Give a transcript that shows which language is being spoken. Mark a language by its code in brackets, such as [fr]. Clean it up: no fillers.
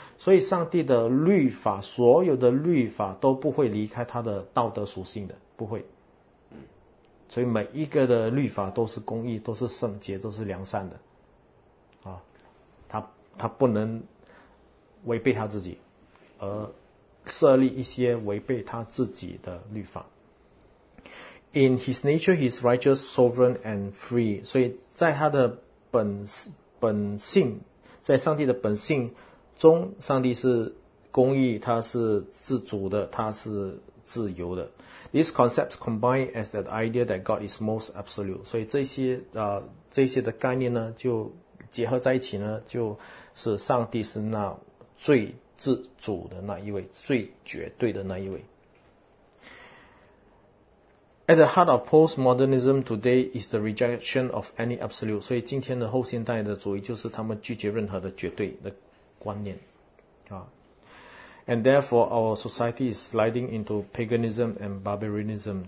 [zh] 所以上帝的律法，所有的律法都不会离开他的道德属性的，不会。所以每一个的律法都是公义，都是圣洁，都是良善的。他不能违背他自己，而设立一些违背他自己的律法。 [en] In his nature, he is righteous, sovereign, and free. [zh] 所以在他的 本性，在上帝的本性中，上帝是公义，他是自主的，他是自由的。 [en] These concepts combine as the idea that God is most absolute. [zh] 所以这些、这些的概念呢，就结合在一起呢，就是上帝是那最自主的那一位，最绝对的那一位。 [en] At the heart of postmodernism today is the rejection of any absolute. [zh] 所以今天的后现代的主义就是他们拒绝任何的绝对的观念。 [en] And therefore, our society is sliding into paganism and barbarism.